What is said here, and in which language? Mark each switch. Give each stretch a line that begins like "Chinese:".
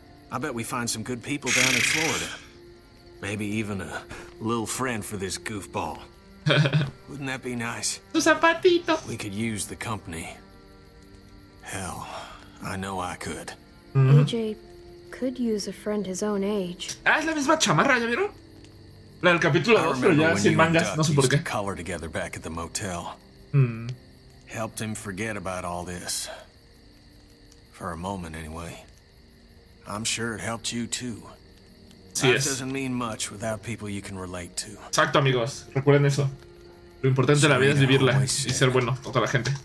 English: I bet we find some good people down in Florida. Maybe even a little friend for this goofball. Wouldn't that be nice?
Spanish: Tu zapatito.
English: We could use the company. Hell, I know I could. Mm-hmm. AJ could use a friend his own age.
Spanish: Ah, es la misma chamarra, ¿ya vieron? La del capítulo 2, pero ya sin mangas, no sé por qué.
English: Color together back at the motel. Helped him forget about all this. For a moment, anyway. I'm sure it helped you, too.
Spanish: Sí,
English: life
Spanish: es.
English: Doesn't mean much without people you can relate to.
Spanish: Exacto, amigos. Recuerden eso. Lo importante de la vida es vivirla y ser bueno con toda la gente.